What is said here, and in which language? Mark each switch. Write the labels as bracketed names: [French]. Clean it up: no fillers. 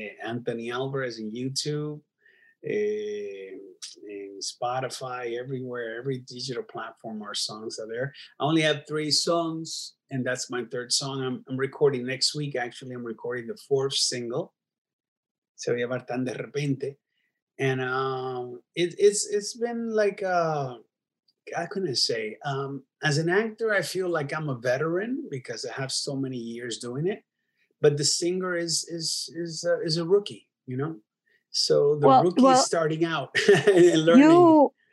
[English] Anthony Alvarez on YouTube, and Spotify, everywhere, every digital platform, our songs are there. I only have 3 songs, and that's my 3rd song. I'm recording next week. Actually, I'm recording the 4th single. [Spanish] se va a llevar tan de repente. [English] And it's been like I couldn't say. As an actor, I feel like I'm a veteran because I have so many years doing it. But the singer is a rookie, you know. So the rookie is starting out and learning.